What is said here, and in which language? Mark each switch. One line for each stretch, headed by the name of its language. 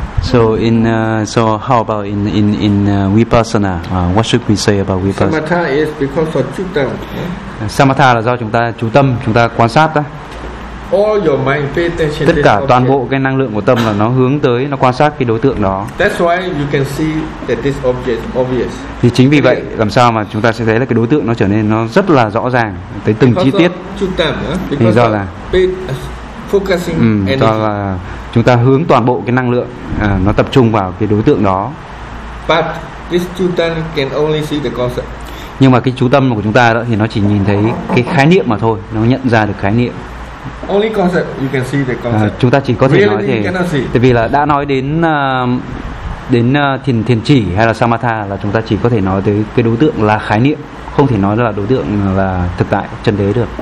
English: So in so how about in vipassana? What should we say about vipassana? Samatha is because of chitta.
Vietnamese: Samatha là do chúng ta chú tâm, chúng ta quan sát đó.
English: All your mind pay attention.
Vietnamese: Tất cả toàn bộ cái năng lượng của tâm là nó hướng tới, nó quan sát cái đối tượng đó.
English: That's why you can see that this object is obvious.
Vietnamese: Thì chính vì vậy làm sao mà chúng ta sẽ thấy là cái đối tượng nó trở nên nó rất là rõ ràng tới từng chi tiết. Thì do là
English: focusing energy.
Vietnamese: Là chúng ta hướng toàn bộ cái năng lượng nó tập trung vào cái đối tượng đó.
English: But this chitta can only see the concept.
Vietnamese: Nhưng mà cái chú tâm của chúng ta đó thì nó chỉ nhìn thấy cái khái niệm mà thôi, nó nhận ra được khái niệm.
English: Only concept you can see the concept.
Vietnamese: Chúng ta chỉ có thể nói thì tại vì là đã nói đến đến thiền chỉ hay là samatha là chúng ta chỉ có thể nói tới cái đối tượng là khái niệm, không thể nói là đối tượng là thực tại chân đế được.